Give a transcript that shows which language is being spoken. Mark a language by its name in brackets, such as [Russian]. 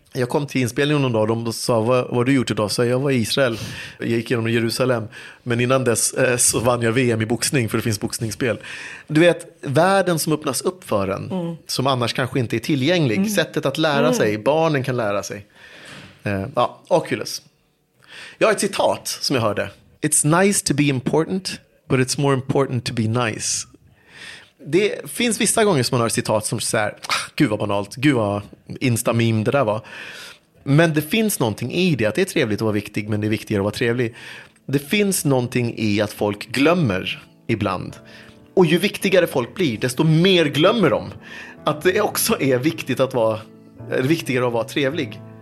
[Swedish] Jag kom till inspelningen någon dag och de sa, vad har du gjort idag? Så jag var i Israel, jag gick genom Jerusalem. Men innan dess så vann jag VM i boxning, för det finns boxningsspel. Du vet, världen som öppnas upp för en, som annars kanske inte är tillgänglig. Mm. Sättet att lära sig, barnen kan lära sig. Ja, Oculus. Jag har ett citat som jag hörde. [English] It's nice to be important, but it's more important to be nice. [Swedish] Det finns vissa gånger som man har citat som så här, gud vad banalt, gud vad insta-meme det där var. Men det finns någonting i det, att det är trevligt att vara viktig, men det är viktigare att vara trevlig. Det finns någonting i att folk glömmer ibland. Och ju viktigare folk blir, desto mer glömmer de. Att det också är viktigt att vara, viktigare att vara trevlig.